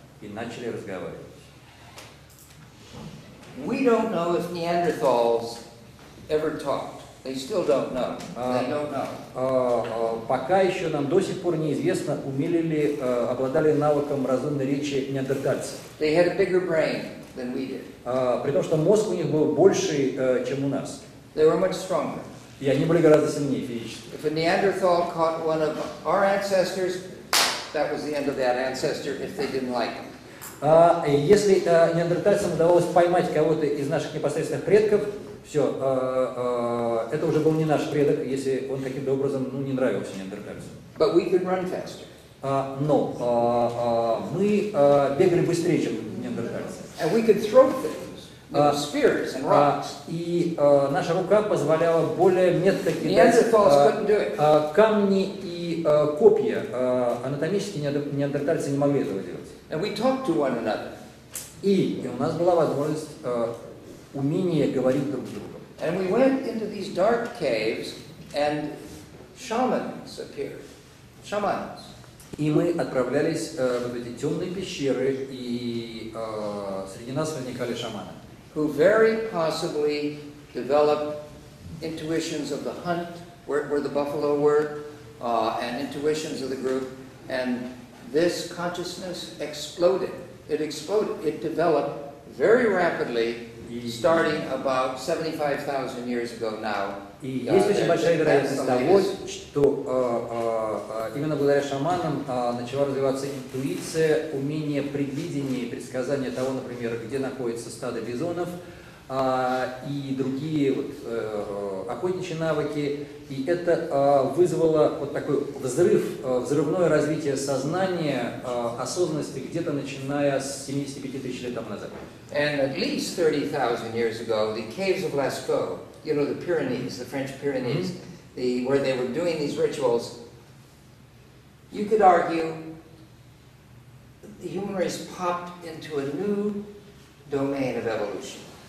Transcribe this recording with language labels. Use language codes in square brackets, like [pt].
[ru] И начали разговаривать. [en] We don't know if Neanderthals ever talked. They still don't know. They don't know. [ru] Пока еще нам до сих пор неизвестно, умели ли обладали навыком разумной речи неандертальцы. [en] They had a bigger brain than we did. [ru] При том, что мозг у них был больше, чем у нас. [en] They were much stronger. [ru] И они были гораздо сильнее физически. [en] If a Neanderthal caught one of our ancestors, that was the end of that ancestor if they didn't like him. [ru] Если неандертальцам удавалось поймать кого-то из наших непосредственных предков, все, это уже был не наш предок, если он каким-то образом не нравился неандертальцам. [en] But we could run faster. [ru] Но мы бегали быстрее, чем неандертальцы. [en] And we could throw things, spears and rocks. [ru] И наша рука позволяла более метко кидать камни и копья. Анатомически неандертальцы не могли этого делать. [en] And we talked to one another. [ru] И у нас была возможность умение говорить друг с другом. [en] And we went into these dark caves, and shamans appeared. Shamans. [ru] И мы отправлялись в эти темные пещеры, и среди нас возникали шаманы. [en] Who very possibly developed intuitions of the hunt, where the buffalo were, and intuitions of the group, and this consciousness exploded. It exploded. It developed very rapidly, starting about 75,000 years ago now. [ru] И есть очень большая вероятность того, что именно благодаря шаманам начала развиваться интуиция, умение предвидения и предсказания того, например, где находится стадо бизонов, и другие вот, охотничьи навыки, и это вызвало вот такой взрывное развитие сознания, осознанности где-то начиная с 75 тысяч лет назад. [en] And at least 30,000 years ago, the caves of Lascaux, you know, the Pyrenees, the French Pyrenees, the where they were doing these rituals, you could argue the human race popped into a new domain of evolution.